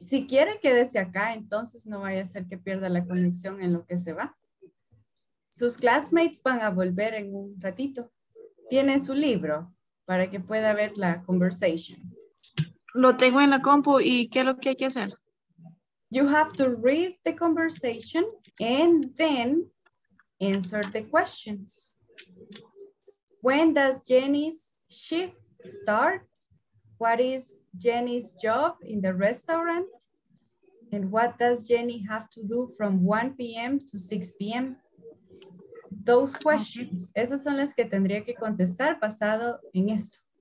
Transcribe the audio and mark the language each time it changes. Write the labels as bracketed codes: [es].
[es] Si quiere, quédese acá, entonces no vaya a ser que pierda la conexión en lo que se va. Sus classmates van a volver en un ratito. Tienen su libro para que pueda ver la conversation. Lo tengo en la compu y ¿qué es lo que hay que hacer? [en] You have to read the conversation and then answer the questions. When does Jenny's shift start? What is Jenny's job in the restaurant? And what does Jenny have to do from 1 p.m. to 6 p.m.? Those questions. [es] Esas son las que tendría que contestar basado en esto.